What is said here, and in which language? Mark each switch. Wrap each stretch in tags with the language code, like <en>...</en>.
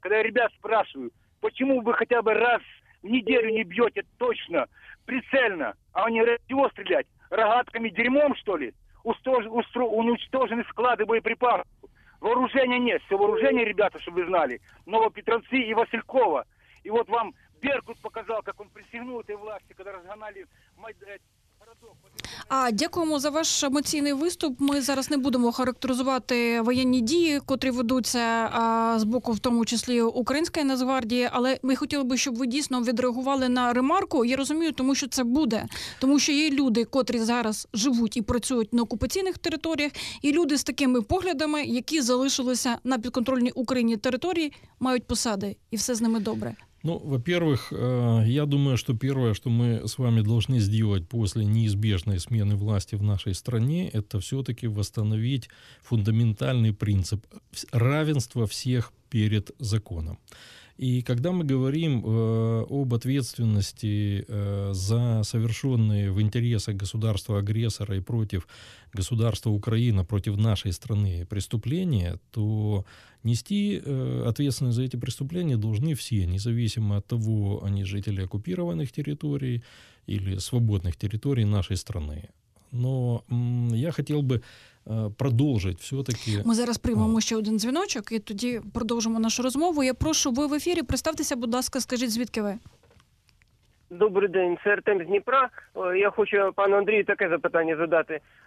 <ru>Когда я ребят спрашиваю, почему вы хотя бы раз в неделю не бьете точно, прицельно, а они говорят, чего стрелять? Рогатками, дерьмом, что ли? Уничтожены склады боеприпасов. Вооружения нет. Все вооружение, ребята, чтобы вы знали, Новопетровцы и Василькова. И вот вам Беркут показал, как он присягнул этой власти, когда разгонали городок.</ru> <uk>А, дякуємо за ваш емоційний виступ. Ми зараз не будемо характеризувати воєнні дії, котрі ведуться з боку, в тому числі, Української Нацгвардії, але ми хотіли би, щоб ви дійсно відреагували на ремарку. Я розумію, тому що це буде. Тому що є люди, котрі зараз живуть і працюють на окупаційних територіях, і люди з такими поглядами, які залишилися на підконтрольній Україні території, мають посади, і все з ними добре.</uk> <ru>Ну, во-первых, я думаю, что первое, что мы с вами должны сделать после неизбежной смены власти в нашей стране, это все-таки восстановить фундаментальный принцип равенства всех перед законом. И когда мы говорим об ответственности за совершенные в интересах государства-агрессора и против государства Украина, против нашей страны преступления, то нести ответственность за эти преступления должны все, независимо от того, они жители оккупированных территорий или свободных территорий нашей страны. Но я хотел бы продолжить все-таки.</ru> <uk>Мы зараз приймемо ще один дзвіночок і тоді продовжимо нашу розмову. Я прошу, ви в ефірі, представтеся, будь ласка, скажіть, звідки ви? Добрий день, це Артем з Дніпра. Я хочу пану Андрію таке запитання задати.</uk>